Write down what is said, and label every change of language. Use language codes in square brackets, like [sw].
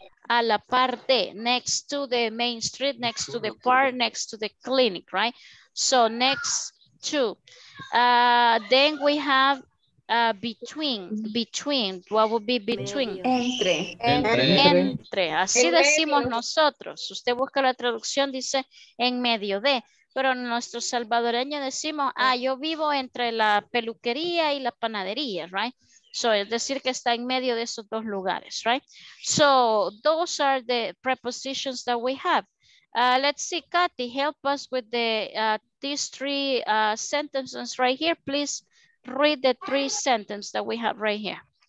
[es] A la parte, [en] next to the main street, next to the park, next to the clinic, right? So next to, then we have between, what would be between? [es] Entre. Entre, así en decimos medio. Nosotros. Usted busca la traducción, dice en medio de, pero nuestro salvadoreño decimos, ah, yo vivo entre la peluquería y la panadería, right? So, es decir, que está en medio de esos dos lugares, right? [en] So, those are the prepositions that we have. Let's see, Kathy, help us with the these three sentences right here. Please read the three sentences that we have right here.